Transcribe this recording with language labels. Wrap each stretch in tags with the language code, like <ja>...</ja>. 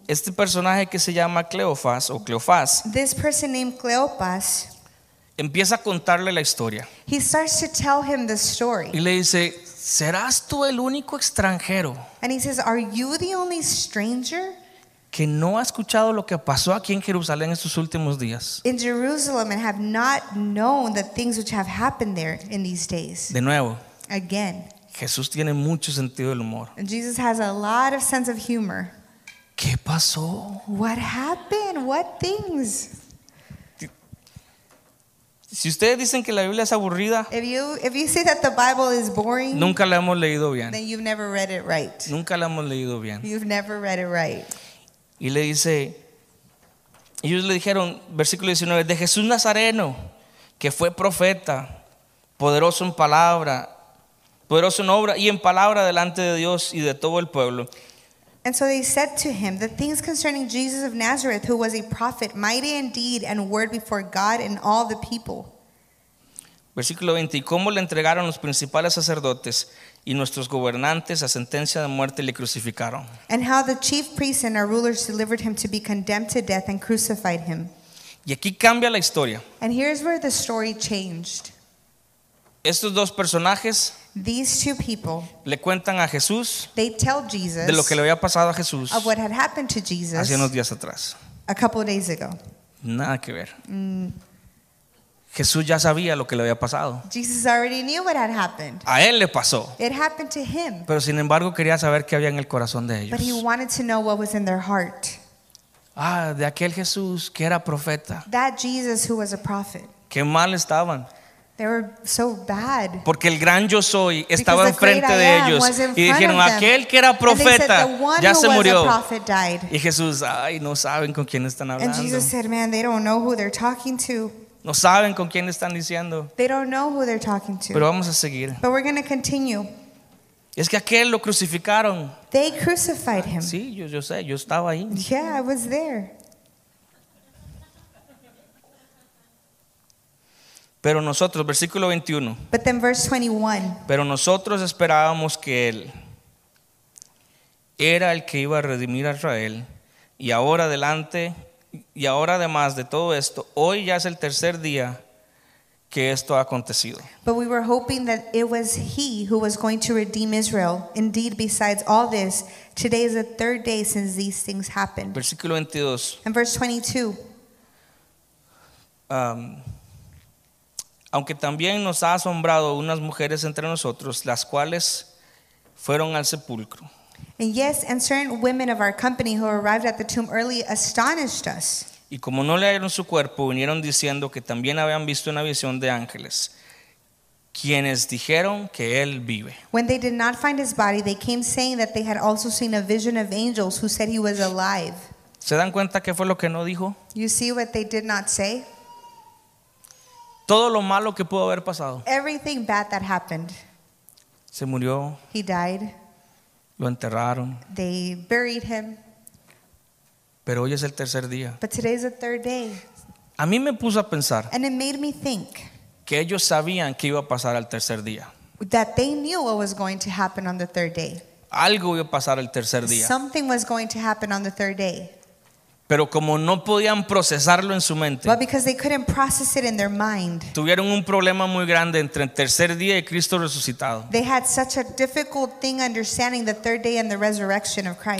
<es>Este personaje que se llama Cleofas o Cleofás.</es> <en>This person named Cleopas.</en> <es>Empieza a contarle la historia.</es> <en>He starts to tell him the story.</en> <es>Y le dice, ¿serás tú el único extranjero?</es> <en>And he says, are you the only stranger?</en> <es>Que no ha escuchado lo que pasó aquí en Jerusalén estos últimos días.</es> <en>In Jerusalem and have not known the things which have happened there in these days.</en> <es>De nuevo.</es> <en>Again.</en> <es>Jesús tiene mucho sentido del humor.</es> <en>And Jesus has a lot of sense of humor.</en> <es>¿Qué pasó?</es> <en>What happened? What things?</en> <es>Si ustedes dicen que la Biblia es aburrida,</es> <en>if you say that the Bible is boring,</en> <es>nunca la hemos leído bien.</es> <en>Then you've never read it right.</en> <es>Nunca la hemos leído bien.</es> <en>You've never read it right.</en> <es>Y le dice, ellos le dijeron, versículo 19, de Jesús Nazareno, que fue profeta, poderoso en palabra, poderoso en obra y en palabra delante de Dios y de todo el pueblo.</es> <en>And so they said to him, the things concerning Jesus of Nazareth, who was a prophet, mighty in deed and word before God and all the people.</en> <es>Versículo 20, y cómo le entregaron los principales sacerdotes y nuestros gobernantes a sentencia de muerte le crucificaron.</es> <en>And how the chief priests and our rulers delivered him to be condemned to death and crucified him.</en> <es>Y aquí cambia la historia.</es> <en>And here's where the story changed.</en> <es>Estos dos personajes,</es> <en>these two people,</en> <es>le cuentan a Jesús,</es> <en>they tell Jesus,</en> <es>de lo que le había pasado a Jesús,</es> <en>of what had happened to Jesus,</en> <es>hace unos días atrás,</es> <en>a couple of days ago.</en> <es>Nada que ver. Jesús ya sabía lo que le había pasado.</es> <en>Jesus already knew what had happened.</en> <es>A él le pasó.</es> <en>It happened to him.</en> <es>Pero sin embargo quería saber qué había en el corazón de ellos.</es> <en>But he wanted to know what was in their heart.</en> <es>Ah, de aquel Jesús que era profeta.</es> <en>That Jesus who was a prophet.</en> <es>Qué mal estaban.</es> <en>They were so bad.</en> <es>Porque el gran yo soy estaba enfrente de ellos.</es> <en>Because the great I am was in front of them.</en> <es>Aquel que era profeta,</es> <en>and they said, the one</en> <es>ya</es> <en>who</en> <es>se</es> <en>was</en> <es>murió.</es> <en>A prophet died.</en> <es>Y Jesús, ay, no saben con quién están hablando.</es> <en>And Jesus said, man, they don't know who they're talking to.</en> <es>No saben con quién están diciendo.</es> <en>They don't know who they're talking to.</en> <es>Pero vamos a seguir.</es> <en>But we're going to continue.</en> <es>Es que aquel lo crucificaron.</es> <en>They crucified him.</en> <es>Sí, yo sé, yo estaba ahí.</es> <en>Yeah, I was there.</en> <es>Pero nosotros, versículo 21.</es> <en>But then verse 21.</en> <es>Pero nosotros esperábamos que él era el que iba a redimir a Israel. Y ahora adelante. Y ahora además de todo esto, hoy ya es el tercer día que esto ha acontecido.</es> <en>But we were hoping that it was he who was going to redeem Israel. Indeed, besides all this, today is the third day since these things happened.</en> <es>Versículo 22.</es> <en>And verse 22.</en> <es>aunque también nos ha asombrado unas mujeres entre nosotros, las cuales fueron al sepulcro.</es> <en>And yes, and certain women of our company who arrived at the tomb early astonished us.</en> <es>Y como no le hallaron su cuerpo, vinieron diciendo que también habían visto una visión de ángeles, quienes dijeron que él vive.</es> <en>When they did not find his body, they came saying that they had also seen a vision of angels who said he was alive.</en> <es>¿Se dan cuenta qué fue lo que no dijo?</es> <en>You see what they did not say?</en> <es>Todo lo malo que pudo haber pasado.</es> <en>Everything bad that happened.</en> <es>Se murió.</es> <en>He died.</en> <es>Lo enterraron.</es> <en>They buried him.</en> <es>Pero hoy es el tercer día.</es> <en>But today is the third day.</en> <es>A mí me puso a pensar.</es> <en>And it made me think.</en> <es>Que ellos sabían que iba a pasar al tercer día.</es> <en>That they knew what was going to happen on the third day.</en> <es>Algo iba a pasar el tercer día.</es> <en>Something was going to happen on the third day.</en> <es>Pero como no podían procesarlo en su mente,</es> <en>but because they couldn't process it in their mind,</en> <es>tuvieron un problema muy grande entre el tercer día y Cristo resucitado.</es> <en>They had such a difficult thing understanding the third day and the resurrection of Christ.</en>